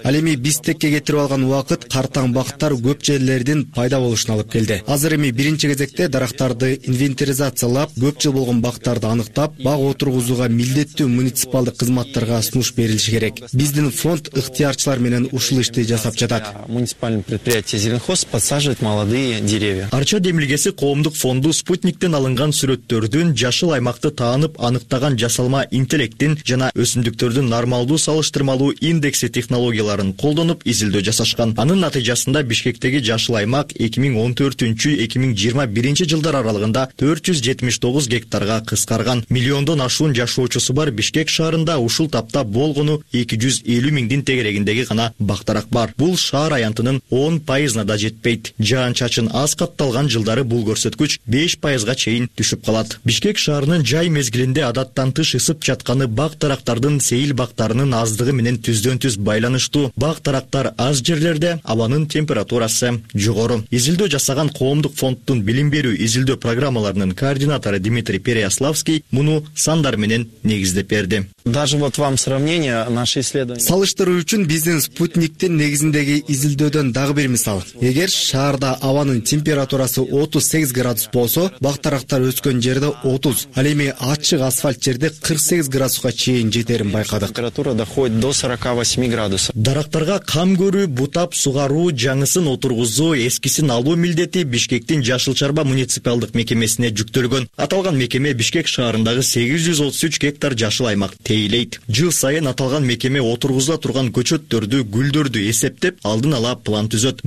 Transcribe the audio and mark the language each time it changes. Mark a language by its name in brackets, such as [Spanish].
[Kyrgyz] Ал эми бизтекке кетирип алган убакыт картаң бактар көп жерлерде дин пайда болушун алып келди. Азыр эми биринчи кезекте дарактарды инвентаризациялап, көп жыл болгон бактарды аныктап, бак отургузууга милдеттүү муниципалдык кызматтарга сунуш берилиши керек. Биздин фонд ыктыярчылар менен ушул ишти жасап жатат. [Russian] Муниципальный предприятие Зеленхоз подсаживает молодые деревья. [Kyrgyz] Арча демилгеси коомдук фонду спутниктен алынган сүрөттөрдүн жашыл аймакты таанып аныктаган жасалма интеллекттин жана өсүмдүктөрдүн нормалдуу салыштырмалуу индекси технологияларын колдонуп изилдөө жасашкан. Анын натыйжасында Бишкектеги жашыл аймак 2014-2021 жылдар аралыгында 479 гектарга кыскарган. Миллиондон ашуун жашоочусу бар Бишкек шаарында ушул тапта болгону 250 миңдин тегерегиндеги гана бактарак бар. Бул шаар аянтынын 10% да жетпейт. Жаан-чачын аз катталган жылдары бул көрсөткүч 5% чейин түшүп калат. Бишкек шаарынын жай мезгилинде адаттан тыш ысып жатканы бак тарактардын сейил бактарынын аздыгы менен түздөн-түз байланыштуу. Бак тарактар аз жерлерде абанын температурасы жогору. Изилдөө жасаган коомдук фонддун билим берүү изилдөө программаларынын координатору Дмитрий Переяславский муну сандар менен негиздеп берди. [Russian] Даже вот вам сравнение наши исследования. [Kyrgyz] Салыштыруу үчүн биздин спутниктин негизиндеги изилдөөдөн дагы бир мисал. Эгер шаарда абанын температурасы 38 градус болсо, бак тарактар өскөн жерде 30, ал эми ачык асфальт жерде 48 градуска чейин жетерин байкадык. [Russian] Температура доходит до 48 градусов. [Kyrgyz] Дарактарга кам көрүү, бутап сугаруу, жаңысын отургузуу, эскисин алуу милдети Бишкектин жашыл чарба муниципалдык мекемесине жүктөлгөн. Аталган мекеме Бишкек шаарындагы 833 гектар жашыл аймак тейлейт. Жыл сайын аталган мекеме отургузула турган көчөттөрдү, гүлдөрдү эсептеп, алдын ала план түзөт.